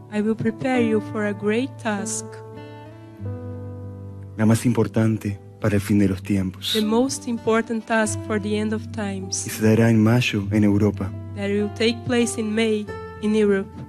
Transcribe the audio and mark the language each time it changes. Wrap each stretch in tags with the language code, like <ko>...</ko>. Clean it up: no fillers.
<en>I will prepare you for a great task.</en> <es>La más importante para el fin de los tiempos.</es> <en>The most important task for the end of times.</en> <es>Y se dará en mayo en Europa.</es> <en>That will take place in May in Europe.</en>